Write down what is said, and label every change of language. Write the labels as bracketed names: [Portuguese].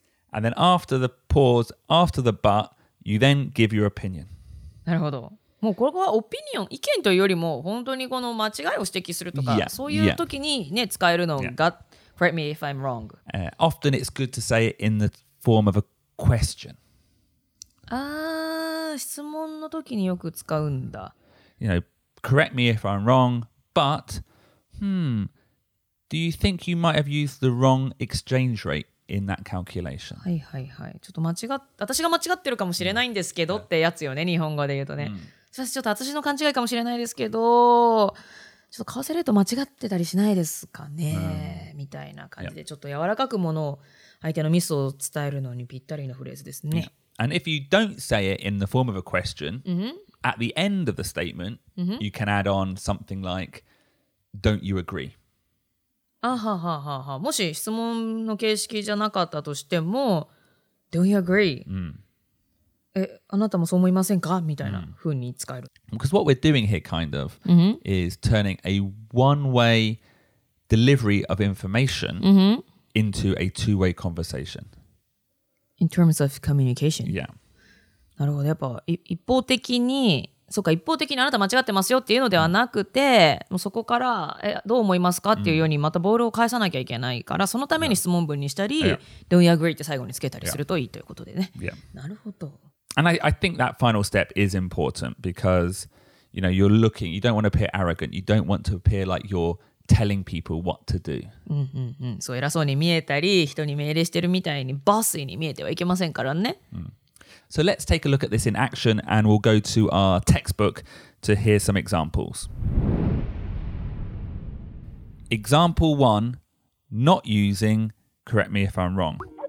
[English] And then after the pause, after the but, you then give your opinion. [Japanese] なるほど。もうここはオピニオン、意見というよりも本当にこの間違いを指摘するとか、 [English] yeah. [Japanese] そういう時にね、 [English] yeah. [Japanese] 使えるのが、 [English] correct、yeah. me if I'm wrong.、 Often it's good to say it in the form of a question. [Japanese] ああ、質問の時によく使うんだ。 [English] You know, correct me if I'm wrong, but, Do you think you might have used the wrong exchange rate in that calculation? [Japanese] はいはいはい。ちょっと私が間違ってるかもしれないんですけど、ってやつよね、日本語で言うとね。すいません、ちょっと私の勘違いかもしれないですけど、ちょっと為替レート間違ってたりしないですかね、みたいな感じで、ちょっと柔らかくものを相手のミスを伝えるのにぴったりのフレーズですね。 [English] And if you don't say it in the form of a question, at the end of the statement, you can add on something like, don't you agree? [Japanese] あははははもし質問の形式じゃなかったとしても [English] Don't you agree?、 [Japanese] あなたもそう思いませんかみたいな風に使える [English] Because what we're doing here kind of、 mm-hmm. is turning a one-way delivery of information、 mm-hmm. into a two-way conversation In terms of communication Yeah [Japanese] なるほどやっぱ一方的にそうか一方的にあなた間違ってますよっていうのではなくて、もうそこからどう思いますかっていうようにまたボールを返さなきゃいけないから、そのために質問文にしたり、 [English] yeah. Don't you agree? [Japanese] って最後につけたりするといいということでね。 [English] Yeah. [Japanese] なるほど。 [English] And I think that final step is important because, you know, you're looking, you don't want to appear arrogant, you don't want to appear like you're telling people what to do. [Japanese] そう偉そうに見えたり、人に命令してるみたいにバスに見えてはいけませんからね。 [English] So let's take a look at this in action and we'll go to our textbook to hear some examples. Example 1, not using, correct me if I'm wrong.